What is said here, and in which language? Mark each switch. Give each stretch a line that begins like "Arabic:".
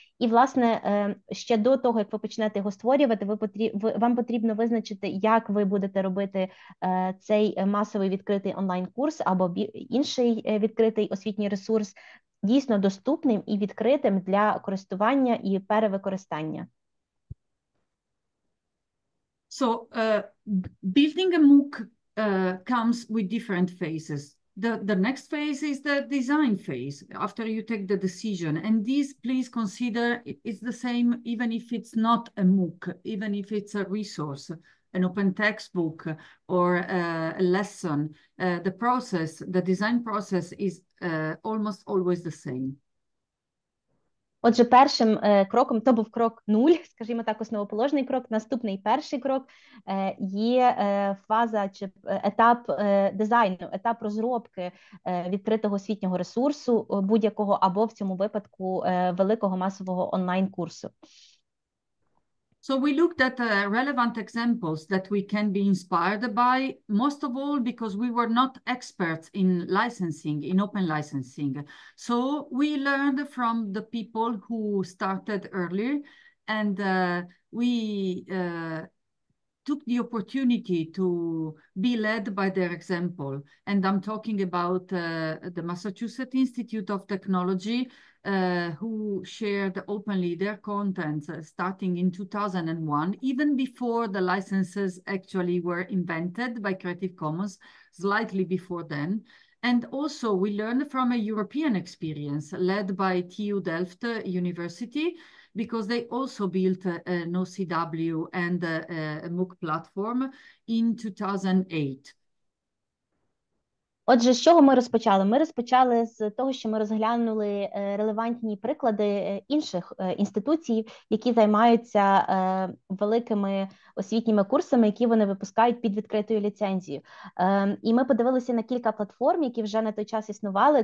Ukrainian: І, власне, ще до того, як ви почнете його створювати, вам потрібно визначити, як ви будете робити цей масовий відкритий онлайн-курс або інший відкритий освітній ресурс дійсно доступним і відкритим для користування і перевикористання.
English: So building a MOOC comes with different phases. The next phase is the design phase after you take the decision. And this, please consider, it's the same even if it's not a MOOC, even if it's a resource, an open textbook or a lesson. The process, the design process is almost always the same.
Ukrainian: Отже, першим кроком, то був крок нуль, скажімо так, основоположний крок. Наступний, перший крок є фаза чи етап дизайну, етап розробки відкритого освітнього ресурсу будь-якого або в цьому випадку великого масового онлайн-курсу.
English: So we looked at relevant examples that we can be inspired by, most of all because we were not experts in licensing, in open licensing. So we learned from the people who started earlier, and we took the opportunity to be led by their example. And I'm talking about the Massachusetts Institute of Technology, who shared openly their contents starting in 2001, even before the licenses actually were invented by Creative Commons, slightly before then. And also we learned from a European experience led by TU Delft University, because they also built an OCW and a MOOC platform in 2008.
Ukrainian: Отже, з чого ми розпочали? Ми розпочали з того, що ми розглянули релевантні приклади інших інституцій, які займаються великими освітніми курсами, які вони випускають під відкритою ліцензією. І ми подивилися на кілька платформ, які вже на той час існували.